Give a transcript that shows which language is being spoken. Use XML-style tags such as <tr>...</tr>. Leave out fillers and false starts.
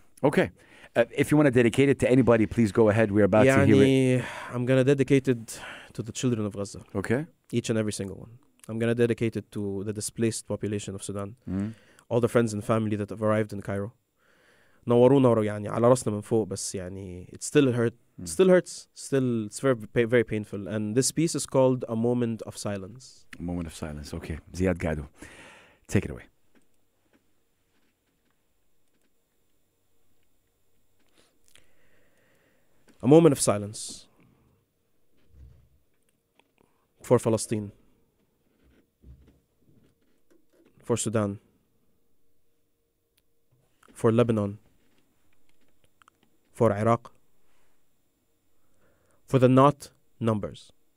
<en>Okay. If you want to dedicate it to anybody, please go ahead. We're about</en> <ar>يعني,</ar> <en>to hear it. I'm going to dedicate it to the children of Gaza. Okay. Each and every single one. I'm going to dedicate it to the displaced population of Sudan. Mm-hmm. All the friends and family that have arrived in Cairo.</en> <ar>نورونا يعني على رأسنا من فوق بس يعني</ar> <en>it still hurt. Mm-hmm. Still hurts. Still, it's very, very painful. And this piece is called A Moment of Silence. A moment of silence. Okay. Ziad Gadou, take it away. A moment of silence for Palestine, for Sudan, for Lebanon, for Iraq, for the not numbers.</en>